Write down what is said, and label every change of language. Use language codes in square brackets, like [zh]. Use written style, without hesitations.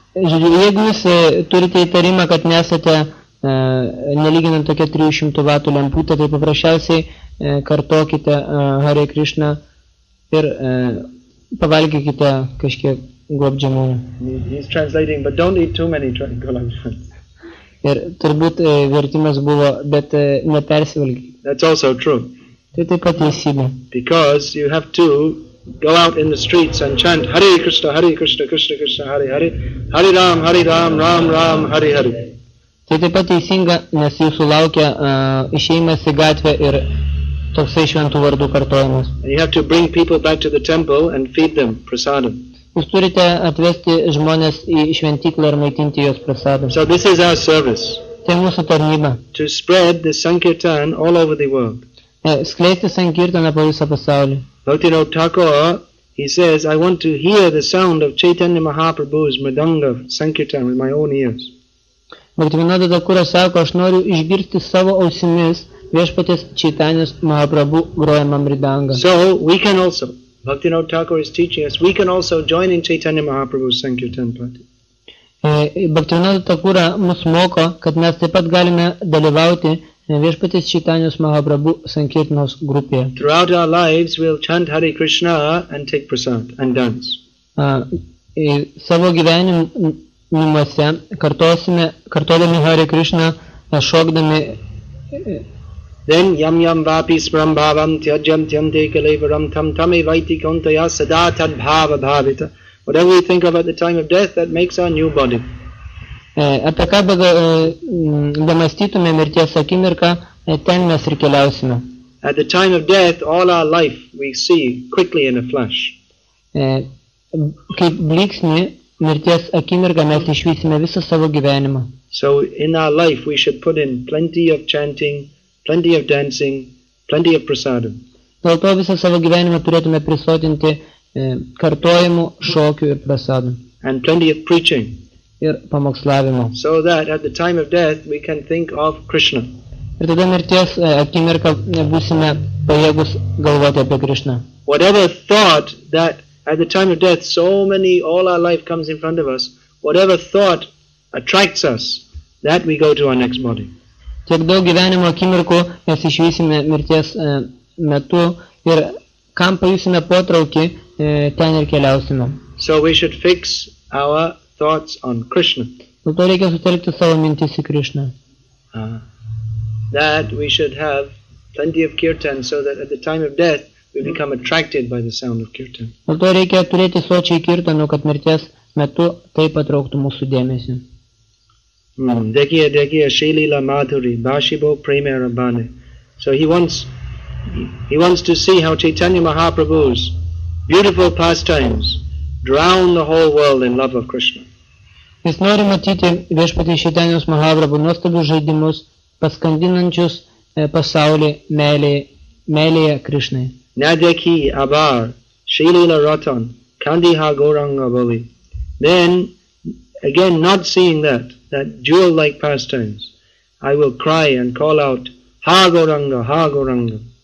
[lt] Jeigu jūs turite įtarimą, kad nesate nelyginant tokia 300 vatų lemputė, tai paprasčiausiai kartokite Hare Krishna ir pavalgykite kažkiek gulab jamuns. [en] He's translating, but don't eat too many gulab jamuns. [lt] Ir turbūt vertimas buvo, bet nepersivalgyk. [en] That's also true. [lt] Tai taip pat teisybė. [en] Because you have to go out in the streets and chant Hare Krishna, Krishna Krishna, Hare Hare, Hare Ram, Hare Ram, Ram Ram, Hare Hare. [lt] Tai taip pat teisinga, nes jūsų laukia išėjimas į gatvę ir toksai šventų vardų kartojimas. [en] And you have to bring people back to the temple and feed them prasadam. [lt] Jūs turite atvesti žmonės į šventyklą ir maitinti juos prasadą. [en] So this is our service. [lt] Tai mūsų tarnyba. [en] To spread the Sankirtan all over the world. [lt] Skleisti Sankirtaną po visą pasaulį. [en] Bhaktivinoda Thakura, he says, I want to hear the sound of Chaitanya Mahaprabhu's Mridanga Sankirtan with my own ears. [lt] Bhaktivinoda Thakura sako, aš noriu išgirsti savo ausimis viešpatės Chaitanyas Mahaprabhu grojama Mridanga. [en] So we can also. Bhaktivinoda Thakura is teaching us, we can also join in Chaitanya Mahaprabhu's Sankirtan party. [lt] Bhaktivinoda Thakura mus moko, kad mes taip pat galime dalyvauti viešpatės Chaitanyas Mahaprabhu Sankirtanos grupėje. [en] Throughout our lives we'll chant Hare Krishna and take prasad and dance. [lt] Savo gyvenimuose kartosime, kartodami Hare Krishna, šokdami. [sa] Then yam yam vapi smram bhavam tyajam tyante kalevaram tam tame vaiti kontaya sada tad bhava bhavita. [en] Whatever we think of at the time of death, that makes our new body. [lt] Apie ką damastytume mirties akimirką, ten mes ir keliausime. [en] At the time of death, all our life we see quickly in a flash. [lt] Kaip bliksnį mirties akimirką mes išvysime visą savo gyvenimą. [en] So in our life we should put in plenty of chanting, plenty of dancing, plenty of prasadam. [lt] Dėl to visą savo gyvenimą turėtume prisotinti kartojimu, šokiu ir prasadam. [en] And plenty of preaching. [lt] Ir pamokslavimo. [en] So that at the time of death we can think of Krishna. [lt] Ir tada mirties akimirką būsime pajėgus galvoti apie Krishna. [en] Whatever thought that at the time of death so many all our life comes in front of us, whatever thought attracts us, that we go to our next body. [lt] Tiek daug gyvenimo akimirkų mes išvysime mirties metu ir kam pajusime potraukį, ten ir keliausime. [en] So we should fix our thoughts on Krishna. [lt] Dėl to reikia sutelkti savo mintis į Krishna. [en] That we should have plenty of kirtan so that at the time of death we become attracted by the sound of kirtan. [lt] Dėl to reikia turėti sočiai kirtanų, kad mirties metu tai patrauktų mūsų dėmesį. [bn] Dekia, dekia, shilila madhuri, bashibo prema rabane. [en] So he wants to see how Chaitanya Mahaprabhu's beautiful pastimes drown the whole world in love of Krishna. [lt] Jis nori matyti viešpatį Chaitanyos Mahaprabhu nuostabius žaidimus, paskandinančius pasaulį meilėje Krishnai. [bn] Nadeki abar, shilila ratan, kandiha goranga bali. [en] Then, again, not seeing that jewel-like pastimes, I will cry and call out, ha goranga, ha goranga.